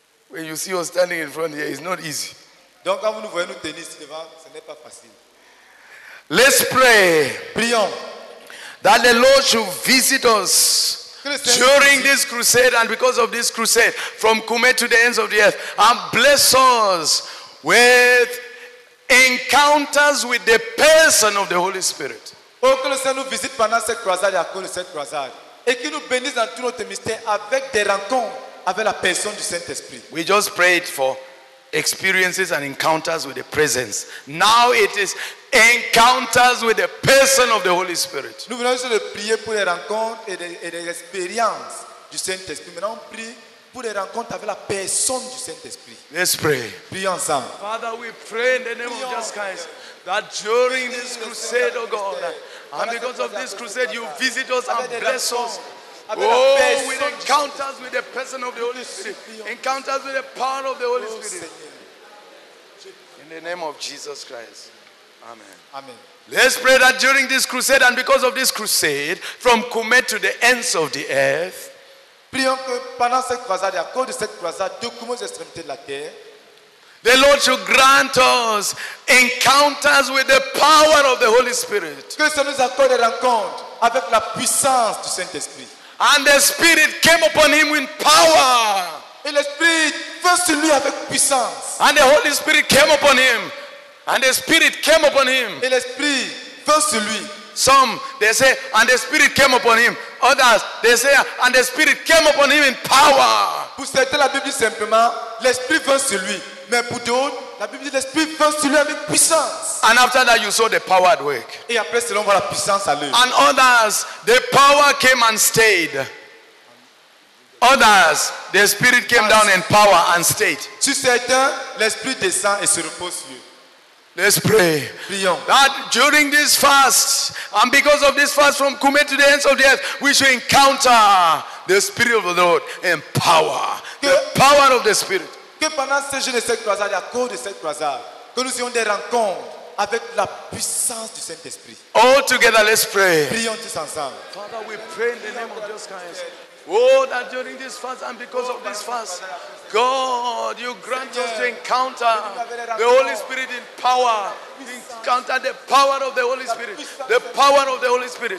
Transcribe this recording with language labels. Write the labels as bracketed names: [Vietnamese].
[English] When you see us standing in front here, it's not easy. [French] Donc quand vous nous voyez nous tenir ici devant, ce n'est pas facile. [English] Let's pray. [French] Prions. [English] That the Lord should visit us during this crusade and because of this crusade from Kume to the ends of the earth and bless us with encounters with the person of the Holy Spirit. [French] Oh, que le Seigneur nous visite pendant cette croisade et à cause de cette croisade et qu'il nous bénisse dans tout notre mystère avec des rencontres avec la personne du Saint-Esprit. [English] We just prayed for experiences and encounters with the presence. Now it is encounters with the person of the Holy Spirit. [French] Nous venons juste de prier pour les rencontres et des expériences du Saint-Esprit. Maintenant, on prie pour les rencontres avec la personne du Saint-Esprit. [English] Let's pray. [French] Prions ensemble. [English] Father, we pray in the name of Jesus Christ that during this crusade, oh God, and because of this crusade, you visit us and bless us. Oh, with encounters with the person of the Holy Spirit. Encounters with the power of the Holy Spirit. In the name of Jesus Christ. Amen. Amen. Let's pray that during this crusade and because of this crusade, from Kume to the ends of the earth, [French] prions que pendant cette croisade, à cause de cette croisade, de Kume aux extrémités de la terre, [English] the Lord should grant us encounters with the power of the Holy Spirit. [French] Que ça nous accorde des rencontres avec la puissance du Saint-Esprit. [English] And the Spirit came upon him with power. [French] Et l'Esprit vint sur lui avec puissance. [English] And the Holy Spirit came upon him. And the Spirit came upon him. [French] Et l'Esprit vint sur lui. [English] Some, they say, and the Spirit came upon him. Others, they say, and the Spirit came upon him in power. [French] Pour certains, la Bible dit simplement, l'Esprit vint sur lui. Mais pour d'autres, la Bible dit, l'Esprit vint sur lui avec puissance. [English] And after that, you saw the power at work. [French] Et après, selon vous, la puissance à l'œuvre. [English] And others, the power came and stayed. Others, the Spirit came down in power and stayed. [French] Sur certains, l'Esprit descend et se repose sur lui. [English] Let's pray. [French] Prions. [English] That during this fast, and because of this fast from Kume to the ends of the earth, we should encounter the Spirit of the Lord in power. [French] Que, [English] the power of the Spirit. [French] Que pendant ce jeûne et cette croisade, à cause de cette croisade, que nous ayons des rencontres avec la puissance du Saint-Esprit. [English] All together, let's pray. [French] Prions tous ensemble. [English] Father, we pray in the name of Jesus Christ. Oh, that during this fast and because of this fast, God, you grant us to encounter the Holy Spirit in power. Encounter the power of the Holy Spirit. The power of the Holy Spirit.